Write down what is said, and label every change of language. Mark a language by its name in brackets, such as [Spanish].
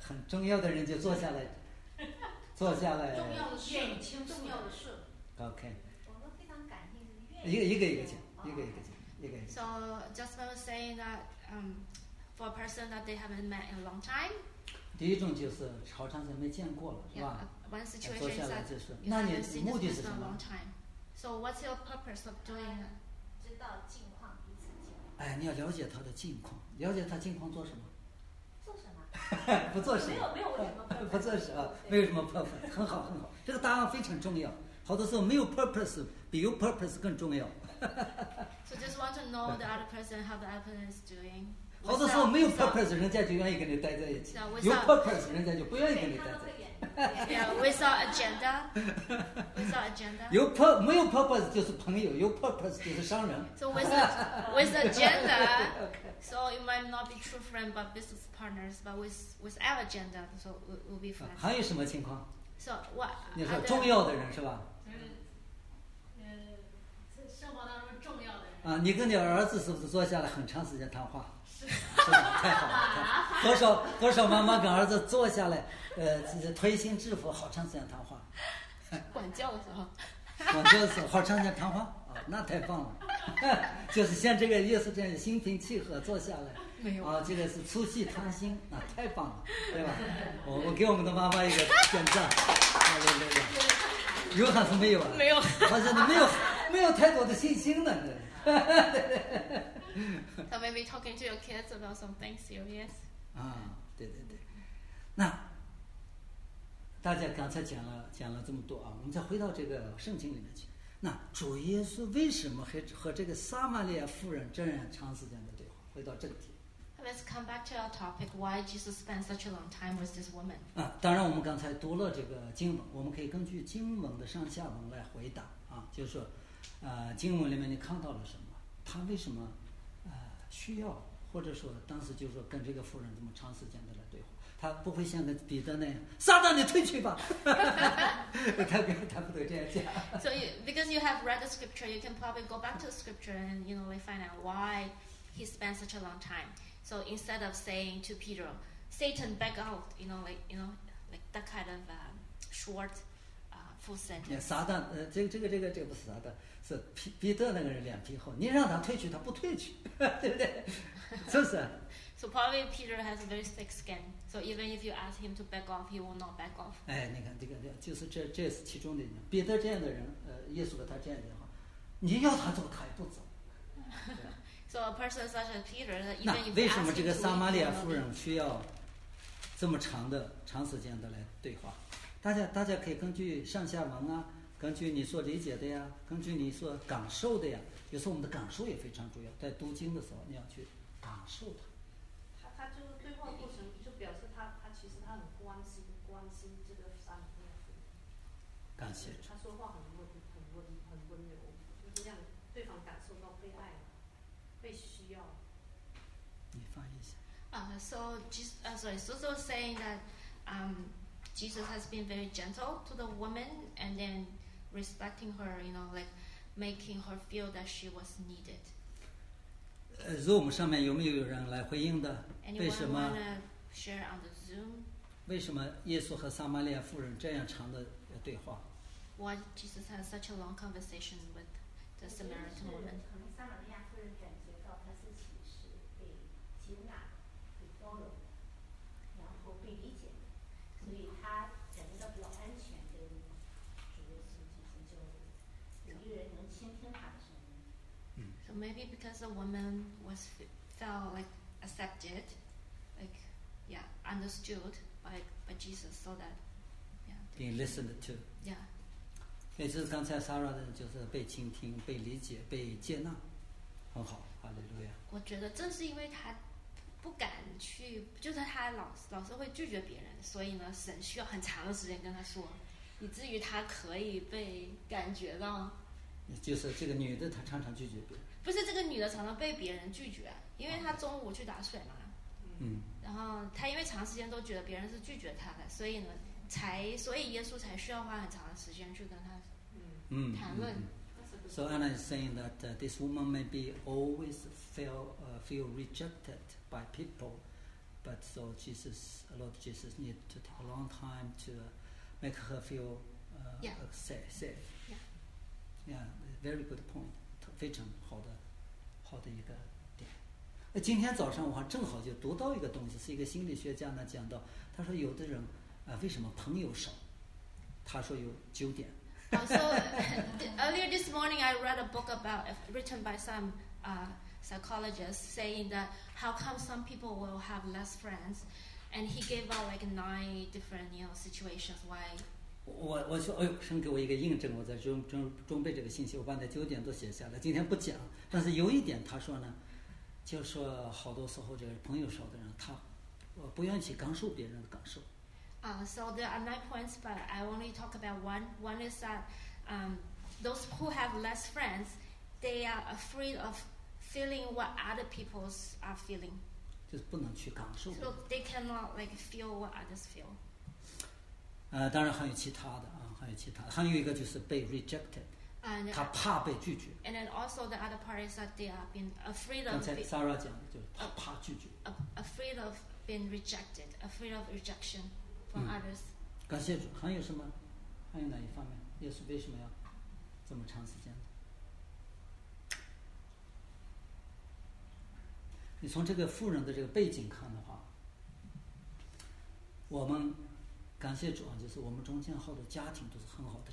[Chinese] 很重要的人就坐下来，坐下来。重要的事，愿意听重要的事。 OK。我们非常感谢，愿意。一个一个讲，一个一个讲，一个一个。 [English] So Jasmine was saying that for a person that they haven't met in a long time. [Chinese] 第一种就是好长时间没见过了，是吧？ [English] Yeah, one situation is that you haven't seen a person in a long time. So what's your purpose of doing that? [Chinese] 知道近况，彼此近。哎，你要了解他的近况，了解他近况做什么？不做什么，没有不做什么，没有什么 purpose， 很好很好，这个答案非常重要。好多时候没有 purpose 比有 purpose 更重要。 [English] So just want to know the other person how the other person is doing。 [Chinese] 好多时候没有 purpose， 人家就愿意跟你待在一起。有 purpose， 人家就不愿意跟你待在一起。 [English] Yeah, without agenda. Without agenda. [Chinese] 有 purpose 没有 purpose 就是朋友，有 purpose 就是商人。 [English] So with agenda. So it might not be true friend, but business partners. But without agenda, so will be friends. [Chinese] 还有什么情况？ [English] So what? [Chinese] 你说重要的人是吧？就是，生活当中重要的人。啊，你跟你儿子是不是坐下来很长时间谈话？是吧？太好了，太好了。多少多少妈妈跟儿子坐下来，推心置腹，好长时间谈话。管教的时候。管教的时候，好长时间谈话。那太棒了，就是像这个意思，这样心平气和坐下来，没有啊，这个是促膝谈心，那太棒了，对吧？我给我们的妈妈一个点赞，对对对，有还是没有啊？没有，好像你没有太多的信心呢。对对对。 [English] So maybe talking to your kids about something serious. [Chinese] 啊，对对对，那大家刚才讲了这么多啊，我们再回到这个圣经里面去。那主耶稣为什么和这个撒玛利亚妇人这样长时间的对话？回到正题。 [English] Let's come back to our topic. Why Jesus spent such a long time with this woman? [Chinese] 啊，当然我们刚才读了这个经文，我们可以根据经文的上下文来回答啊，就是说，经文里面你看到了什么？他为什么需要，或者说当时就是说跟这个妇人这么长时间的来对话？他不会像个彼得那样，撒旦你退去吧。他不会这样讲。 [English] So because you have read the scripture, you can probably go back to the scripture and you know find out why he spent such a long time. So instead of saying to Peter, Satan, back out, you know, like that kind of short, full sentence. [Chinese] Yeah, 撒旦，这个不是撒旦，是彼得那个人脸皮厚，你让他退去，他不退去，对不对？是不是？ [English] So probably Peter has a very thick skin. So even if you ask him to back off, he will not back off. [Chinese] 哎，你看这个，就是这是其中的一点。彼得这样的人，耶稣和他这样的话，你要他走，他也不走。 [English] So a person such as Peter, even if you ask him to, [Chinese] 那为什么这个撒玛利亚妇人需要这么长时间的来对话？大家可以根据上下文啊，根据你所理解的呀，根据你所感受的呀。有时候我们的感受也非常重要，在读经的时候你要去感受它。他就是对话过程就表示他其实很关心这个撒玛利亚妇人。感谢。他说话很温柔，就是让对方感受到被爱了，被需要。你翻译一下。 [English] 啊、，so Jesus saying that Jesus has been very gentle to the woman and then respecting her, you know, like making her feel that she was needed. [Chinese] Zoom 上面有没有人来回应的？为什么 [English] share on the Zoom? [Chinese] 为什么耶稣和撒玛利亚妇人这样长的对话？ [English] Why Jesus had such a long conversation with the Samaritan woman? [Chinese] 可能撒玛利亚妇人感觉到她自己是被接纳、被包容，然后被理解的，所以她感觉到比较安全，跟主耶稣进行交流，有一个人能倾听她的声音。 [English] So maybe because the woman was felt like accepted. Yeah, understood by Jesus, so that yeah, being listened to. Yeah. [Chinese] 也就是刚才 Sarah 的就是被倾听、被理解、被接纳，很好，哈利路亚。我觉得正是因为他不敢去，就是他老是会拒绝别人，所以呢，神需要很长的时间跟他说，以至于他可以被感觉到。就是这个女的，她常常拒绝别人。不是这个女的常常被别人拒绝，因为她中午去打水嘛。然后他因为长时间都觉得别人是拒绝他的，所以呢，所以耶稣才需要花很长的时间去跟他谈论。 [English] So Anna is saying that this woman maybe always feel rejected by people, but so Jesus, Lord Jesus, need to take a long time to make her feel safe. Yeah, very good point. [Chinese] 非常好的一个点。今天早上我还正好就读到一个东西，是一个心理学家呢讲到，他说有的人啊，为什么朋友少？他说有九点。 [English] So earlier this morning, I read a book about written by some psychologists saying that how come some people will have less friends, and he gave out like nine different you know situations why. [Chinese] 我说哎呦，神给我一个印证，我在准备这个信息，我把那九点都写下来，今天不讲。但是有一点他说呢，就是说好多时候这个朋友少的人，他不愿意去感受别人的感受。 [English] So there are 9 points, but I only talk about one. One is that those who have less friends, they are afraid of feeling what other people are feeling. [Chinese] 就是不能去感受。 [English] So they cannot like feel what others feel. [Chinese] 当然还有其他的啊，还有其他，还有一个就是被 rejected. 他怕被拒绝。 [English] And then also the other part is that they are being afraid of. [Chinese] 刚才 Sarah 讲的就是怕拒绝。 [English] Afraid of being rejected, afraid of rejection. [Chinese] 嗯，感谢主。还有什么？还有哪一方面？耶稣为什么要这么长时间？你从这个妇人的这个背景看的话，我们感谢主啊，就是我们中间好多家庭都是很好的。